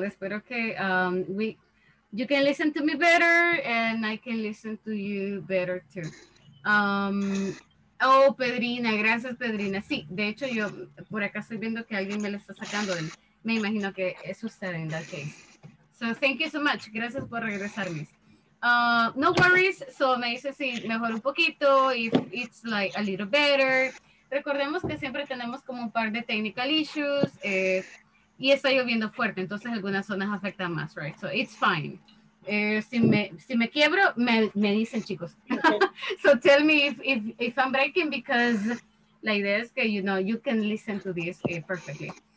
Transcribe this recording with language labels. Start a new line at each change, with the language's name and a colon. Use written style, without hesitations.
Spanish: Espero que
English: you can listen to me better and I can listen to you better too.
Spanish: Oh, Pedrina, gracias Pedrina. Sí, de hecho yo por acá estoy viendo que alguien me lo está sacando. Me imagino que es usted
English: en that case. So thank you so much.
Spanish: Gracias por regresarme.
English: No worries,
Spanish: so me dice si mejor un poquito,
English: if it's like a little better.
Spanish: Recordemos que siempre tenemos como un par de
English: technical issues,
Spanish: y está lloviendo fuerte, entonces algunas zonas afectan más, right?
English: So it's fine.
Spanish: Si me quiebro, me dicen, chicos.
English: So tell me if I'm breaking, because
Spanish: la idea es que,
English: you know, you can listen to this perfectly.